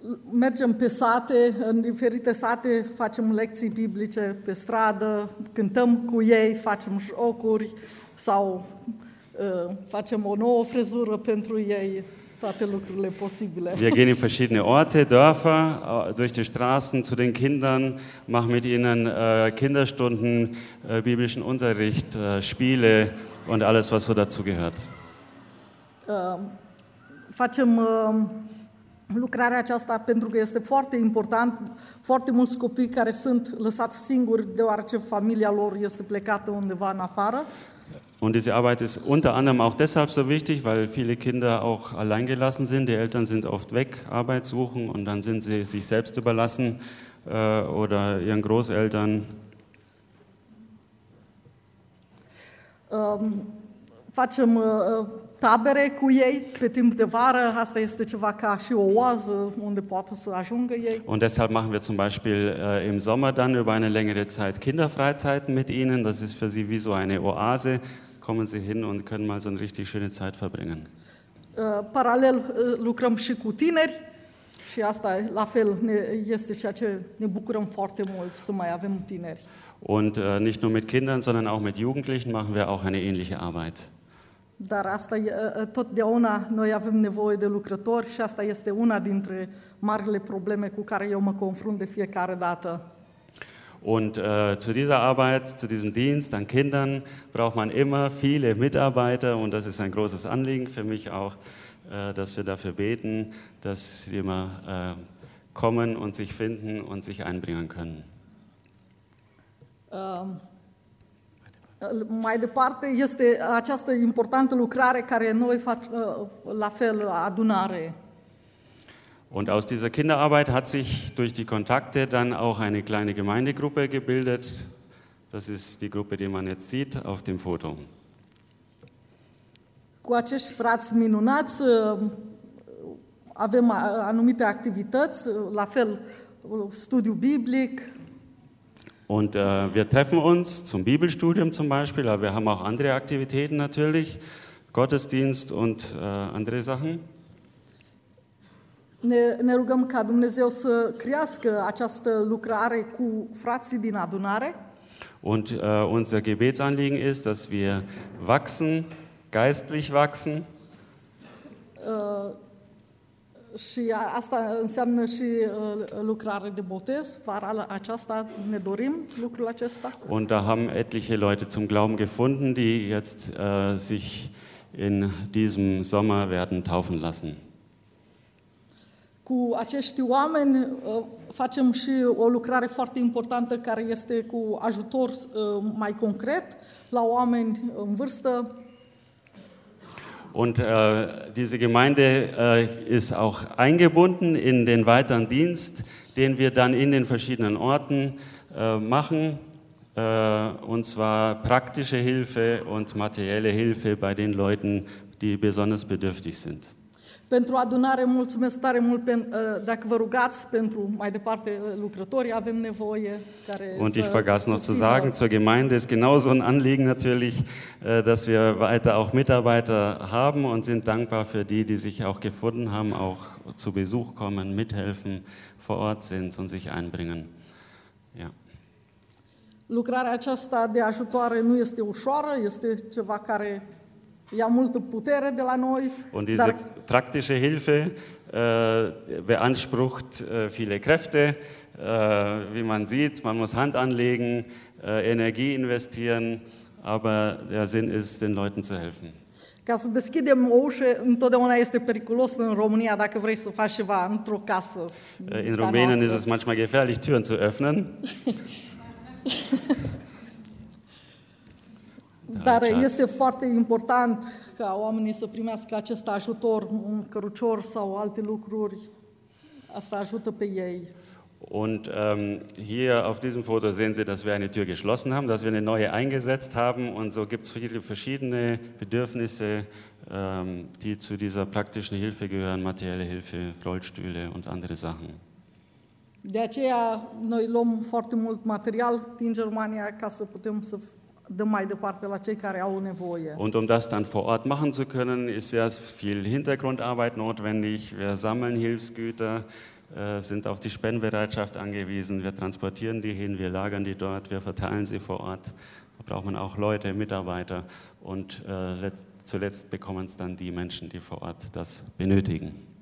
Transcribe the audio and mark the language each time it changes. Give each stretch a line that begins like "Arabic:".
Romanian: Mergem pe sate, în diferite sate, facem lecții biblice pe stradă, cântăm cu ei, facem jocuri sau facem o nouă frezură pentru ei, toate lucrurile posibile.
German: Wir gehen in verschiedene Orte, Dörfer, durch die Straßen zu den Kindern, machen mit ihnen Kinderstunden, biblischen Unterricht, Spiele und alles, was so dazu gehört.
Romanian: Facem lucrarea aceasta pentru că este foarte important. Foarte mulți copii care sunt lăsați singuri deoarece familia lor este plecată undeva în afară.
German: Und diese Arbeit ist unter anderem auch deshalb so wichtig, weil viele Kinder auch allein gelassen sind. Die Eltern sind oft weg, Arbeit suchen und dann sind sie sich selbst überlassen oder ihren Großeltern.
Romanian: Facem tabere cu ei pe timp de vară. Asta este ceva ca și o oază unde poate să ajungă ei.
German: Und deshalb machen wir zum Beispiel im Sommer dann über eine längere Zeit Kinderfreizeiten mit ihnen. Das ist für sie wie so eine Oase. Kommen sie hin und können mal so eine richtig schöne Zeit verbringen.
Romanian: Parallel lucrăm și cu tineri. Și asta la fel este ceea ce ne bucurăm foarte mult să mai avem tineri.
German: Und nicht nur mit Kindern, sondern auch mit Jugendlichen machen wir auch eine ähnliche Arbeit.
Romanian: Dar asta totdeauna noi avem nevoie de lucrători și asta este una dintre marile probleme cu care eu mă confrunt de fiecare dată.
German: Und zu dieser Arbeit, zu diesem Dienst an Kindern braucht man immer viele Mitarbeiter und das ist ein großes Anliegen für mich auch, dass wir dafür beten, dass sie immer kommen und sich finden und sich einbringen können.
Romanian: Mai departe este această importantă lucrare care noi facem la fel adunare.
German: Und aus dieser Kinderarbeit hat sich durch die Kontakte dann auch eine kleine Gemeindegruppe gebildet. Das ist die Gruppe, die man jetzt sieht auf dem Foto.
Romanian: Cu acești frați minunați avem anumite activități, la fel studiu biblic.
German: Und wir treffen uns zum Bibelstudium zum Beispiel, aber wir haben auch andere Aktivitäten natürlich, Gottesdienst und andere Sachen.
Romanian: Ne rugăm ca Dumnezeu să crească această lucrare cu frații din adunare.
German: Und unser Gebetsanliegen ist, dass wir wachsen, geistlich wachsen.
Romanian: Și asta înseamnă și lucrare de botez, vara aceasta ne dorim lucrul acesta.
German: Und da haben etliche Leute zum Glauben gefunden, die jetzt sich in diesem Sommer werden taufen lassen.
Romanian: Cu acești oameni facem și o lucrare foarte importantă care este cu ajutor mai concret la oameni în vârstă.
German: Und diese Gemeinde ist auch eingebunden in den weiteren Dienst, den wir dann in den verschiedenen Orten machen, und zwar praktische Hilfe und materielle Hilfe bei den Leuten, die besonders bedürftig sind.
Romanian: Pentru adunare mulțumesc tare mult dacă vă rugați pentru mai departe lucrători avem nevoie care
German: Und ich vergaß noch zu sagen, zur Gemeinde ist genauso ein Anliegen natürlich, dass wir weiter auch Mitarbeiter haben und sind dankbar für die, die sich auch gefunden haben, auch zu Besuch kommen, mithelfen, vor Ort sind und sich einbringen. Ja.
Romanian: Lucrarea aceasta de ajutoare nu este ușoară, este ceva care ia multă putere de la noi.
German: Und diese praktische Hilfe beansprucht viele Kräfte. Wie man sieht, man muss Hand anlegen, Energie investieren, aber der Sinn ist, den Leuten zu helfen.
Romanian: Ca să deschidem o ușă, întotdeauna este periculos în România dacă vrei să faci ceva într-o casă.
German: In Rumänien ist es manchmal gefährlich, Türen zu öffnen.
Romanian: Dar este foarte important ca oamenii să primească acest ajutor, un cărucior sau alte lucruri. Asta ajută pe ei.
German: Und hier auf diesem Foto sehen Sie, dass wir eine Tür geschlossen haben, dass wir eine neue eingesetzt haben. Und so gibt es viele verschiedene Bedürfnisse, die zu dieser praktischen Hilfe gehören, materielle Hilfe, Rollstühle und andere Sachen.
Romanian: De aceea noi luăm foarte mult material din Germania ca să putem să dăm mai departe la cei care au nevoie.
German: Und um das dann vor Ort machen zu können, ist sehr viel Hintergrundarbeit notwendig. Wir sammeln Hilfsgüter, sind auf die Spendenbereitschaft angewiesen. Wir transportieren die hin, wir lagern die dort, wir verteilen sie vor Ort. Da braucht man auch Leute, Mitarbeiter. Und zuletzt bekommen es dann die Menschen, die vor Ort das benötigen.